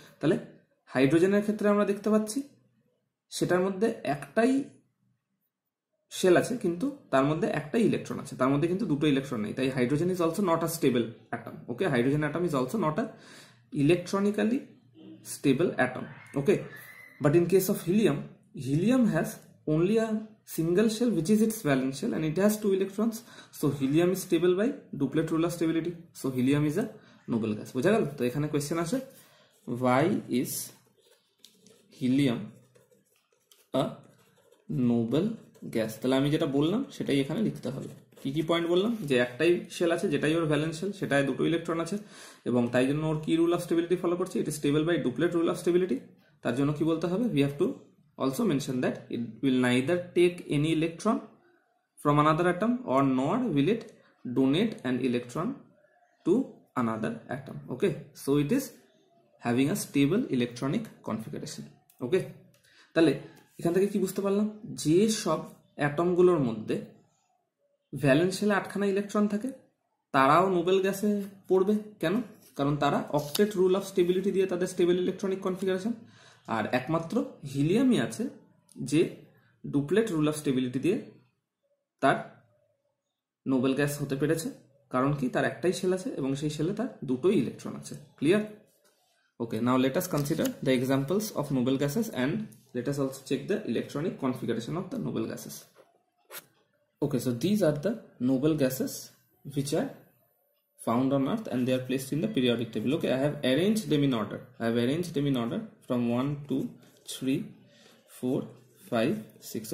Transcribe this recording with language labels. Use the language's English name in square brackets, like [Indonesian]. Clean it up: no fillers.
[Bangla] তাহলে হাইড্রোজেনের ক্ষেত্রে আমরা দেখতে পাচ্ছি সেটার মধ্যে একটাই শেল আছে কিন্তু তার মধ্যে একটাই ইলেকট্রন আছে, তার মধ্যে কিন্তু দুটো ইলেকট্রন নেই, তাই [English] Hydrogen is also not a stable atom. Okay, hydrogen atom is also not a electronically stable atom. Okay, but in case of helium, helium has only a single shell which is its valence shell and it has 2 electrons, so helium is stable by duplet rule of stability, so helium is a noble gas. [Bangla] বুঝা গেল? তো এখানে [English] question [Bangla] আসে, [English] why is helium a noble gas? [Bangla] তাহলে আমি যেটা বললাম সেটাই এখানে লিখতে হবে। কি কি পয়েন্ট বললাম? যে একটাই শেল আছে যেটাই ওর ভ্যালেন্স শেল, সেটায় দুটো ইলেকট্রন আছে এবং তাই জন্য ওর কি রুল অফ স্টেবিলিটি ফলো করছে, [English] It is stable by duplet rule of stability. [Bangla] তার জন্য কি বলতে হবে, [English] We have to also mention that it will neither take any electron from another atom or not will it donate an electron to another atom. Okay, so it is having a stable electronic configuration. [Bangla] ওকে, তাহলে এখান থেকে কি বুঝতে পারলাম, যে সব অ্যাটমগুলোর মধ্যে valence শেলে আটখানা ইলেকট্রন থাকে তারাও নোবেল গ্যাসে পড়বে। কেন? কারণ তারা অক্টেট রুল অফ স্টেবিলিটি দিয়ে তাদের স্টেবল ইলেকট্রনিক কনফিগারেশন, আর একমাত্র হিলিয়ামই আছে যে ডুপ্লেট রুল অফ স্টেবিলিটি দিয়ে তার নোবেল গ্যাস হতে পেরেছে। কারণ কি, তার একটাই শেল আছে এবং সেই শেলে তার দুটোই ইলেকট্রন আছে। Clear? [English] Okay, now let us consider the examples of noble gases and let us also check the electronic configuration of the noble gases. Okay, so these are the noble gases which are found on Earth and they are placed in the periodic table. Okay, I have arranged them in order. I have arranged them in order from 1, 2, 3, 4, 5, 6.